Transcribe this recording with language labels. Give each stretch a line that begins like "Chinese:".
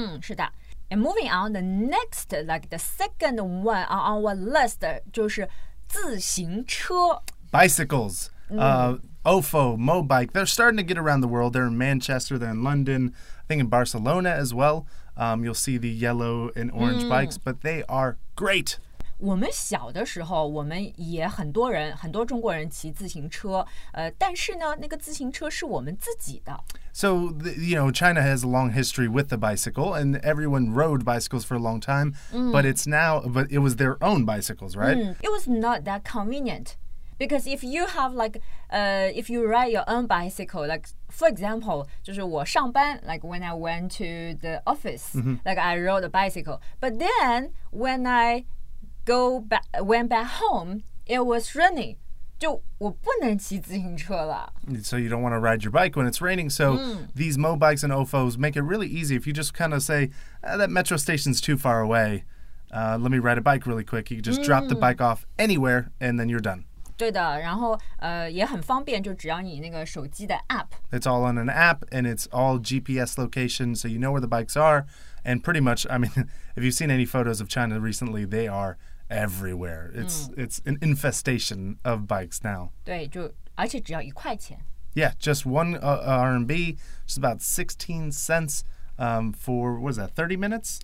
Chinese: 是的。
English: And moving on, the next, like the second one on our list,
Chinese: 就是自行车。
English: Bicycles, Ofo, Mobike, they're starting to get around the world. They're in Manchester, they're in London, I think in Barcelona as well. You'll see the yellow and orange bikes, but they are great.
Chinese: 我们小的时候我们也很多人很多中国人骑自行车但是呢那个自行车是我们自己的。
English: So, you know, China has a long history with the bicycle and everyone rode bicycles for a long time, but it was their own bicycles, right? It was not that convenient because if you have like, if you ride your own bicycle, like for example,
Chinese: 就是我上班
English: like when I went to the office, like I rode a bicycle, but then when I... went back home, it was raining.
Chinese: 就我不能骑自行车了。
English: So you don't want to ride your bike when it's raining. So these Mobikes and Ofos make it really easy. If you just kind of say, that metro station's too far away, let me ride a bike really quick. You can just drop the bike off anywhere and then you're done.
Chinese: 对的，然后也很方便，就只要你那个手机的 app.
English: It's all on an app and it's all GPS location, so you know where the bikes are. And pretty much, I mean, if you've seen any photos of China recently, they are everywhere. It's an infestation of bikes now.
Chinese: 对，就而且只要一块钱。
English: Yeah, just one RMB, which is about 16 cents for, what is that, 30 minutes?